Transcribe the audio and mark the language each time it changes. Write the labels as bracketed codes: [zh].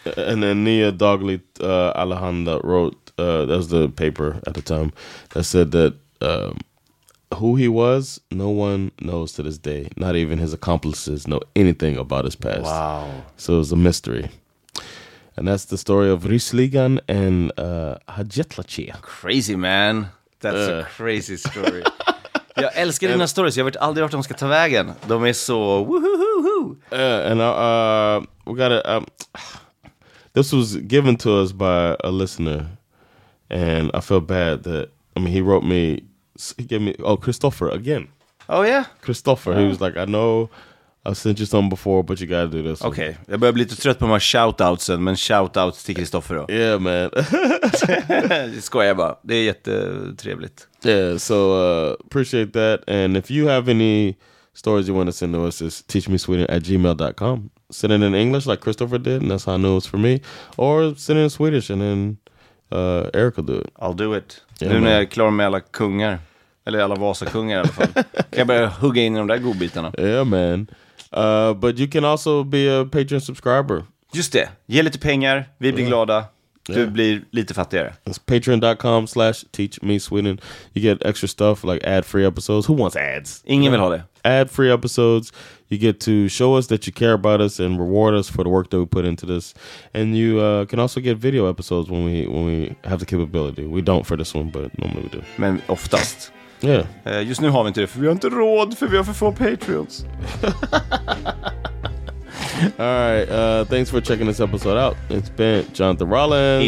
[en] And then Nia Dogli Alejandra wrote, that was the paper at the time, that said that who he was, no one knows to this day. Not even his accomplices know anything about his past. Wow. So it was a mystery. And that's the story of Ryssligan and Hajetlachev. Crazy, man. That's a crazy story. [sv] Jag älskar dina stories. Jag vet aldrig vart de ska ta vägen. De är så woo-hoo-hoo-hoo. [en] This was given to us by a listener. And I feel bad that... I mean, he gave me... Oh, Christopher, again. Oh, yeah? Christopher. Oh. He was like, I know... I've sent you some before, but you gotta do this. Okay. One. [sv] Jag börjar bli lite trött på de här shoutoutsen, men shoutouts till Kristoffer då. [en] Yeah, man. [sv] Skojar bara. Det är jättetrevligt. [en] Yeah, so appreciate that. And if you have any stories you want to send to us, just teachmesweden@gmail.com. Send it in English like Christopher did, and that's how I knew it was for me. Or send it in Swedish, and then Eric will do it. I'll do it. [sv] Yeah, nu man. När jag är klar med alla kungar. Eller alla Vasakungar i alla fall. Kan jag börja hugga in i de där godbitarna. [en] Yeah, man. But you can also be a Patreon subscriber. [sv] Just det. Ge lite pengar. Vi blir glada. Du blir lite fattigare. [en] It's patreon.com/teachmesweden. You get extra stuff like ad-free episodes. Who wants ads? [sv] Ingen vill ha det. [en] Ad-free episodes. You get to show us that you care about us and reward us for the work that we put into this. And you can also get video episodes when we have the capability. We don't for this one, but normally we do. [sv] Men oftast... [en] Yeah. [sv] Just nu har vi inte det, för vi har inte råd, för vi har för få Patreons. [en] Alright, thanks for checking this episode out. It's been Jonathan Rollins,